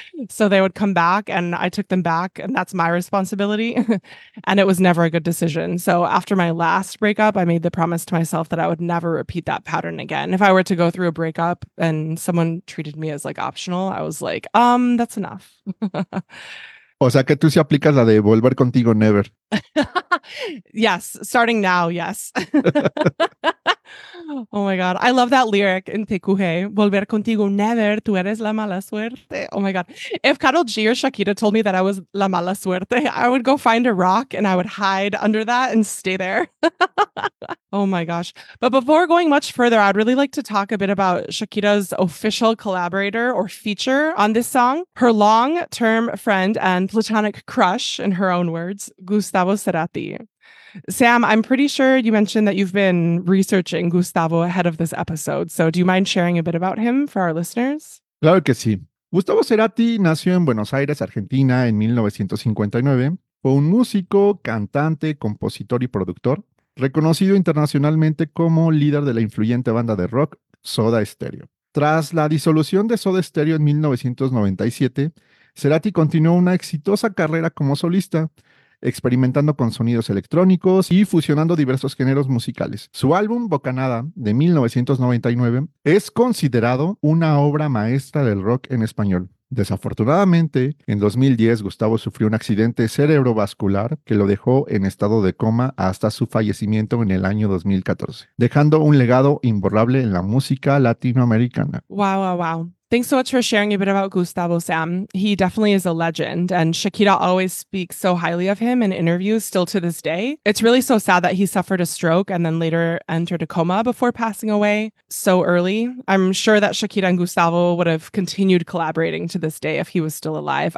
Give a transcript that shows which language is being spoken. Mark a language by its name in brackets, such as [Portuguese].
[English] So they would come back and I took them back and that's my responsibility. And it was never a good decision. So after my last breakup, I made the promise to myself that I would never repeat that pattern again. If I were to go through a breakup and someone treated me as like optional, I was like, that's enough. [Spanish] O sea, que tú sí aplicas la de volver contigo, never. [English] Yes, starting now, yes. Oh my God, I love that lyric in TQG. [Spanish] Volver contigo, never, tú eres la mala suerte. [English] Oh my God. If Karol G or Shakira told me that I was [Spanish] la mala suerte, [English] I would go find a rock and I would hide under that and stay there. Oh my gosh. But before going much further, I'd really like to talk a bit about Shakira's official collaborator or feature on this song, her long-term friend and platonic crush, in her own words, Gustavo Cerati. Sam, I'm pretty sure you mentioned that you've been researching Gustavo ahead of this episode. So do you mind sharing a bit about him for our listeners? [Spanish] Claro que sí. Gustavo Cerati nació en Buenos Aires, Argentina, en 1959. Fue un músico, cantante, compositor y productor, reconocido internacionalmente como líder de la influyente banda de rock Soda Stereo. Tras la disolución de Soda Stereo en 1997, Cerati continuó una exitosa carrera como solista, experimentando con sonidos electrónicos y fusionando diversos géneros musicales. Su álbum Bocanada, de 1999, es considerado una obra maestra del rock en español. Desafortunadamente, en 2010, Gustavo sufrió un accidente cerebrovascular que lo dejó en estado de coma hasta su fallecimiento en el año 2014, dejando un legado imborrable en la música latinoamericana. [English] Wow, wow, wow. Thanks so much for sharing a bit about Gustavo Sam. He definitely is a legend, and Shakira always speaks so highly of him in interviews still to this day. It's really so sad that he suffered a stroke and then later entered a coma before passing away so early. I'm sure that Shakira and Gustavo would have continued collaborating to this day if he was still alive.